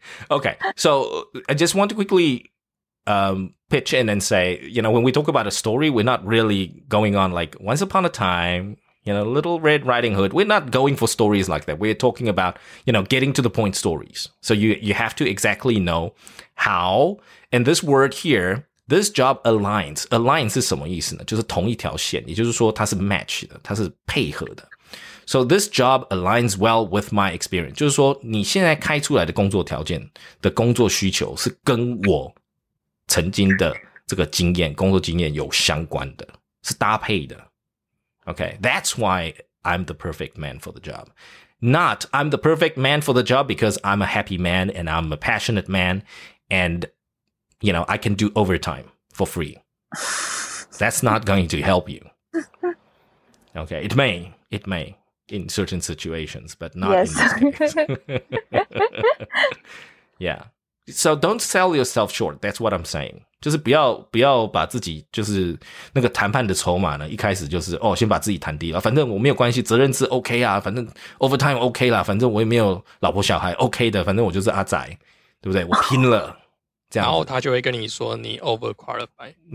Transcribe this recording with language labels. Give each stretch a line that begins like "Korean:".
English: Okay, so I just want to quickly pitch in and say, you know, when we talk about a story, we're not really going on like once upon a time, you know, Little Red Riding Hood. We're not going for stories like that. We're talking about, you know, getting to the point stories. So you have to exactly know how. And this word here, this job aligns.
Chinese: Aligns 是什么意思呢？就是同一条线，也就是说它是match的，它是配合的。
English: So this job aligns well with my experience.
Chinese: 就是说你现在开出来的工作条件的工作需求是跟我曾经的这个经验工作经验有相关的，是搭配的。
English: Okay, that's why I'm the perfect man for the job. Not I'm the perfect man for the job because I'm a happy man and I'm a passionate man and, you know, I can do overtime for free. That's not going to help you. Okay, it may in certain situations, but not yes. in this case. Yeah. So don't sell yourself short. That's what I'm saying.
Chinese: 就是不要把自己就是那个谈判的筹码呢，一开始就是哦，先把自己谈低了。反正我没有关系，责任是 OK 啊，反正 overtime OK 啦，反正我也没有老婆小孩 OK 的，反正我就是阿宅，对不对？我拼了，这样。然后他就会跟你说你 overqualified。